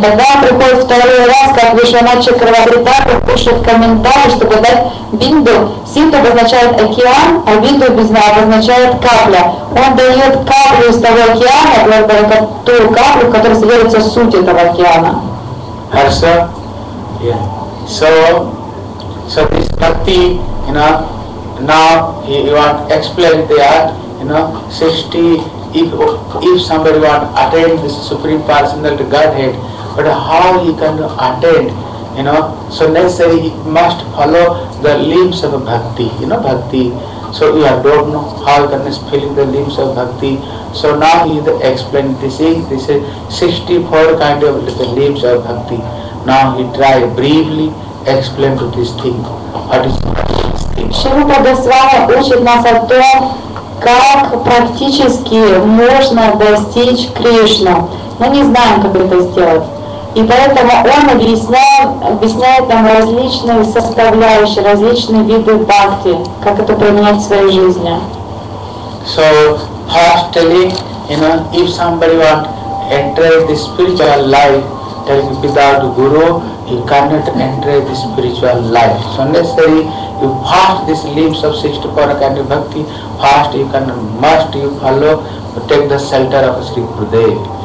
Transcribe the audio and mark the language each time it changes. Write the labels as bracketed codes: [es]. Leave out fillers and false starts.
[ru] Тогда приходит второй раз, как Вишванатха Чакраварти пишет комментарий, чтобы дать бинду. Синду обозначает океан, а бинду обозначает капля. Он дает каплю из того океана, благодаря той каплю, в которой содержится суть этого океана. Хорошо? [en] So this bhakti, now you want to explain that, if somebody want to attain this Supreme Personal to Godhead, but how he can attain, so necessary he must follow the limbs of bhakti, bhakti. So you don't know how he can fill the limbs of bhakti. So now he is explaining this, this is 64 kind of the limbs of bhakti. Now he try briefly explain to this thing. [ru] Шрупа Госвами учит нас о том, как практически можно достичь Кришны. Мы не знаем, как это сделать. И поэтому он объясняет нам различные составляющие, различные виды бхакти, как это применять в своей жизни. [en] So, first telling, if somebody want to enter the spiritual life, telling without guru, you cannot enter the spiritual life. So necessary, you fast this leaves of Sixth Parakandi Bhakti, fast you can, must you follow, take the shelter of Sri Prudhaya.